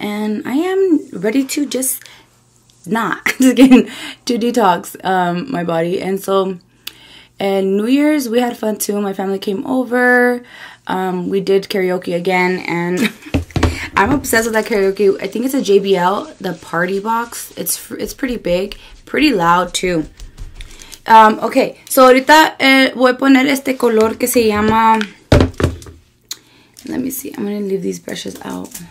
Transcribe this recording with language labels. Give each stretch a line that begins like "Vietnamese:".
English: And I am ready to just not just getting to detox my body. And so, and New Year's we had fun too. My family came over. We did karaoke again, and I'm obsessed with that karaoke. I think it's a JBL, the party box. It's pretty big, pretty loud too.
Spanish: Okay, so ahorita voy a poner este color que se llama...
English: Let me see, I'm going to leave these brushes out.